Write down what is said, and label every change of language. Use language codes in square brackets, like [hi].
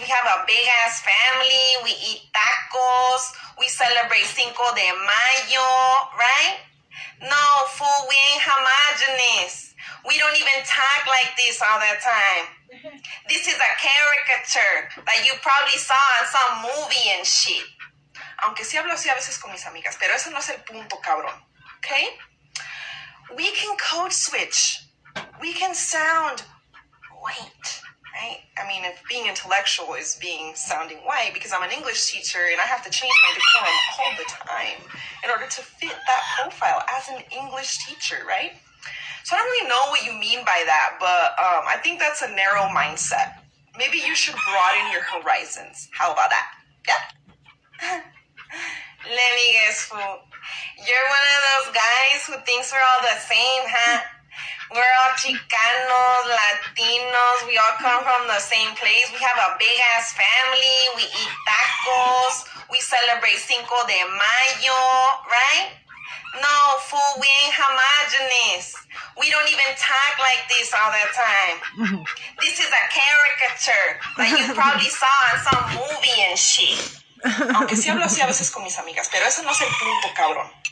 [en] We have a big ass family. We eat tacos. We celebrate Cinco de Mayo, right? No, fool, we ain't homogenous. We don't even talk like this all the time. This is a caricature that you probably saw in some movie and shit. [es] Aunque sí hablo así a veces con mis amigas, pero ese no es el punto, cabrón. [en] Okay? We can code switch. We can sound white, right? I mean, if being intellectual is being sounding white, because I'm an English teacher and I have to change my decorum all the time in order to fit that profile as an English teacher, right? So I don't really know what you mean by that, but I think that's a narrow mindset. Maybe you should broaden your horizons. How about that? Yeah. Let me guess, fool. You're one of those guys who thinks we're all the same, huh? We're all Chicanos, Latinos. We all come from the same place. We have a big ass family. We eat tacos. We celebrate Cinco de Mayo, right? No, fool, we ain't homogenous. We don't even talk like this all the time. This is a caricature that you probably saw in some movie and shit. [es] Aunque sí hablo así a veces con mis amigas, pero ese no es el punto, cabrón.